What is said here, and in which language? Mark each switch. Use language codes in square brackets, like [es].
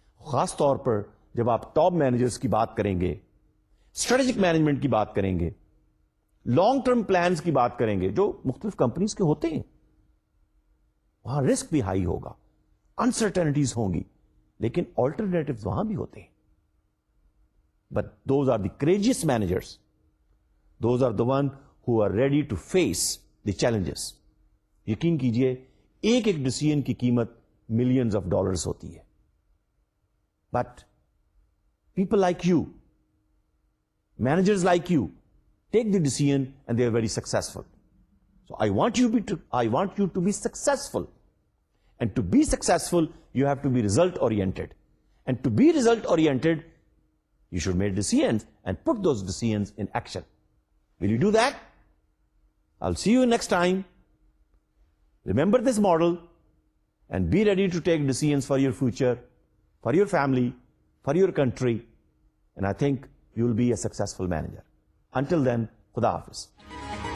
[ur] خاص طور پر جب آپ top managers کی بات کریں گے، strategic management کی بات کریں گے، لانگ ٹرم پلانس کی بات کریں گے جو مختلف کمپنیز کے ہوتے ہیں، وہاں رسک بھی ہائی ہوگا، انسرٹنٹیز ہوں گی، لیکن آلٹرنیٹیوز وہاں بھی ہوتے ہیں. [en] But those are the courageous managers, those are the one who are ready to face the challenges. [ur] یقین کیجئے ایک ایک ڈیسیژن کی قیمت ملینز آف ڈالرز ہوتی ہے، [en] But people like you, managers like you take the decision and they are very successful. So I want you to be successful, and to be successful you have to be result oriented, and to be result oriented you should make decisions and put those decisions in action. Will you do that? I'll see you next time. Remember this model and be ready to take decisions for your future, for your family, for your country, and I think you'll be a successful manager. Until then, خدا حافظ.